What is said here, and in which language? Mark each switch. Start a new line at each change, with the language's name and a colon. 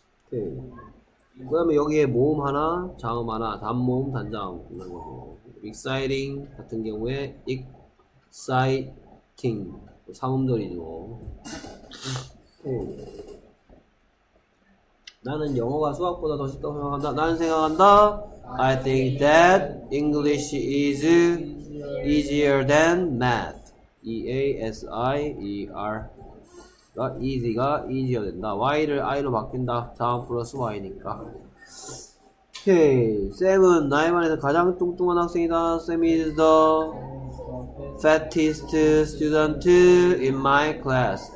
Korean: 그 다음에 여기에 모음 하나, 자음 하나, 단모음, 단자음 그런 거죠. exciting 같은 경우에 exciting 삼음절이죠. 나는 영어가 수학보다 더 쉽다고 생각한다. 나는 생각한다.
English: I think that English is easier than math.
Korean: E-A-S-I-E-R 가 easy가 easier 된다. y를 i로 바뀐다. 다음 플러스 y니까. 오케이. 쌤은 나이 만에서 가장 뚱뚱한 학생이다.
English: 쌤 is the fattest student in my class.